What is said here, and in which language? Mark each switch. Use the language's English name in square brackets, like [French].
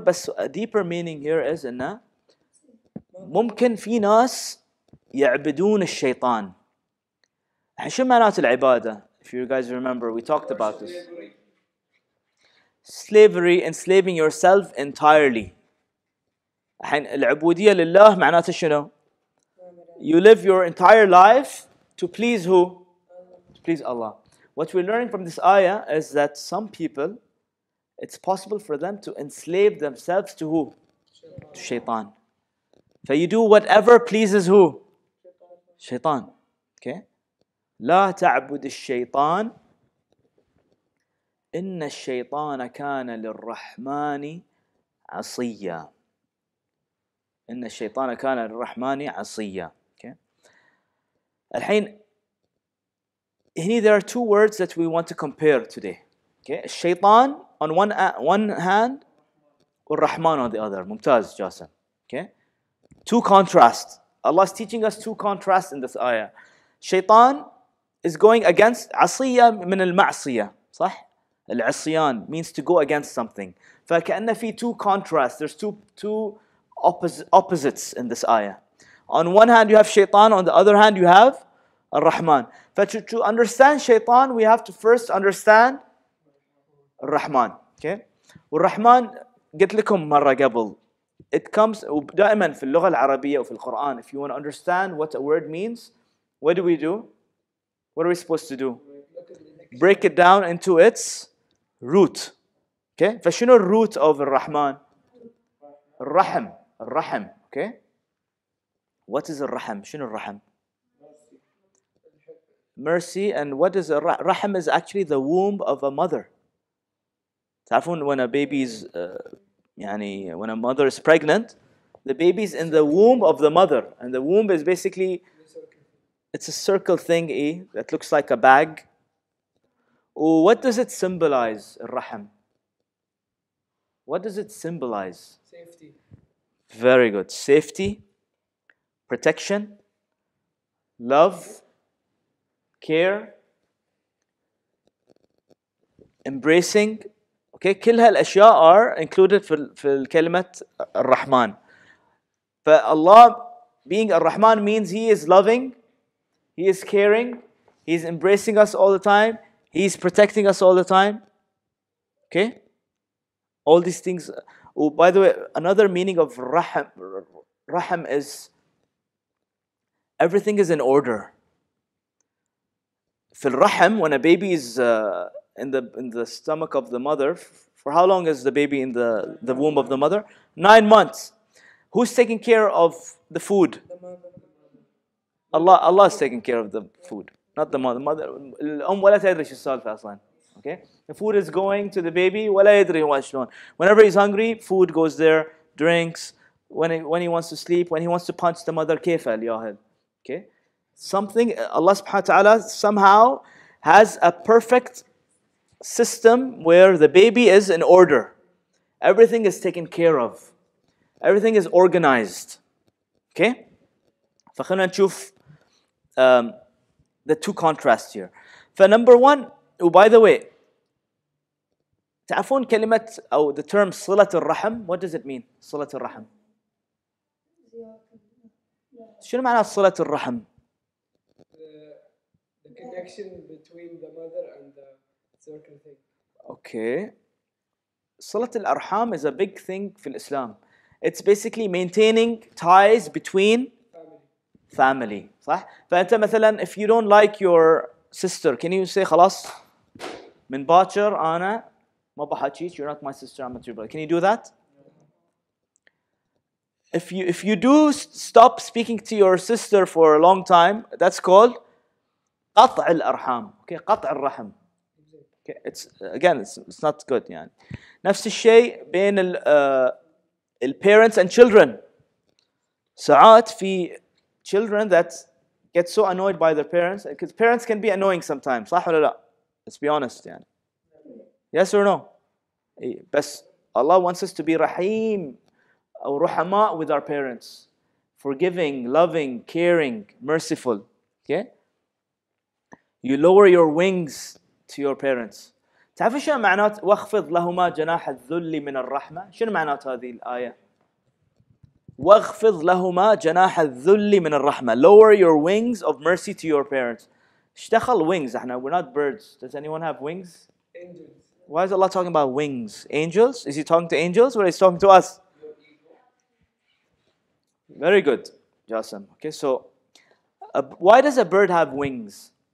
[Arabic] بس [English] a deeper meaning here is [Arabic] إنه ممكن في ناس يعبدون الشيطان. شو معنات العبادة؟ [English] If you guys remember, we talked about this. Slavery, enslaving yourself entirely. [Arabic] العبودية لله معناته شنو? [English] You live your entire life to please who? To please Allah. What we're learning from this ayah is that some people, it's possible for them to enslave themselves to who? To shaitan. So you do whatever pleases who? Shaitan. Okay? [Arabic] لا تعبد الشيطان إن الشيطان كان للرحمن عصيا. إن الشيطان كان للرحمن عصيا. [English] Okay. [Arabic] الحين, [English] here there are two words that we want to compare today. Okay. الشيطان on one hand, والرحمن on the other. [Arabic] ممتاز [English] جاسم. Okay. Two contrasts. Allah is teaching us two contrasts in this ayah. [Arabic] الشيطان [English] is going against [Arabic] عصيا من المعصية. صح. [English] العصيان means to go against something. [Arabic] فكأن في [English] two contrasts. There's two opposites in this ayah. On one hand you have shaitan. On the other hand you have al-Rahman. فto understand shaitan, we have to first understand al-Rahman. Okay? [Arabic] والرحمن قلت لكم مرة قبل. [English] It comes [Arabic] دائما في اللغة العربية وفي القرآن. [English] If you want to understand what a word means, what do we do? What are we supposed to do? Break it down into its root. Okay? [Arabic] فشنو root of الرحمن? الرحم. الرحم. Okay? [English] What is [Arabic] الرحم? شنو الرحم? [English] Mercy. And what is الرحم? Is actually the womb of a mother. [Arabic] تعرفون [English] when a baby is, [Arabic] يعني [English] when a mother is pregnant, the baby is in the womb of the mother. And the womb is basically, it's a circle thing, eh? That looks like a bag. What does it symbolize, الرحم? What does it symbolize? Safety. Very good. Safety, protection, love, care, embracing. [Arabic] Okay, كل هالأشياء [English] are included [Arabic] في الكلمة الرحمن. [English] But Allah, being الرحمن, means He is loving, He is caring, He is embracing us all the time. He is protecting us all the time. Okay? All these things. Oh, by the way, another meaning of rahm, rahm is everything is in order. في الرحم, when a baby is in the stomach of the mother, for how long is the baby in the womb of the mother? 9 months. Who's taking care of the food? Allah is taking care of the food. Not the mother. [Arabic] الأم ولا تدري شو السالفة أصلاً. [English] Okay, the food is going to the baby. [Arabic] ولا يدري هو شلون. [English] Whenever he's hungry, food goes there. Drinks. When he wants to sleep. When he wants to punch the mother. [Arabic] كيف الياهل. [English] Okay, something Allah سبحانه وتعالى somehow has a perfect system where the baby is in order. Everything is taken care of. Everything is organized. Okay, [Arabic] فخلنا نشوف [English] the two contrasts here. For number one, oh, by the way, [Arabic] تعرفون كلمة أو [English] the term صلة الرحم, what does it mean, صلة الرحم؟ [Arabic] شنو معنى صلة الرحم؟ [English] The connection between the mother and the circumcised. Okay. صلة الأرحام is a big thing [Arabic] في الإسلام. [English] It's basically maintaining ties between family. [Arabic] صح؟ فأنت مثلا [English] if you don't like your sister, can you say [Arabic] خلاص من باكر أنا ما بحاجيك, [English] you're not my sister, I'm not your brother. Can you do that? If you do stop speaking to your sister for a long time, that's called قطع الأرحام. Okay, قطع الرحم. Okay, it's again, it's not good. [Arabic] يعني نفس الشيء بين ال [English] parents and children. [Arabic] ساعات في [English] children that get so annoyed by their parents, because parents can be annoying sometimes. [Arabic] صح ولا لا? [English] Let's be honest. [Arabic] يعني [English] yes or no? [Arabic] بس [English] Allah wants us to be رحيم. Our rahama with our parents, forgiving, loving, caring, merciful. Okay, you lower your wings to your parents. [Arabic] تعرف شو معنات واخفض لهما جناح الذل من الرحمة؟ شنو معنات هذه الآية؟ واخفض لهما جناح الذل من الرحمة. [English] Lower your wings of mercy to your parents. [Arabic] اشتخل [English] wings. [Arabic] احنا [English] we're not birds. Does anyone have wings? Angels. Why is Allah talking about wings? Angels? Is He talking to angels or He's talking to us? Very good, Jasim. Okay, so why does a bird have wings?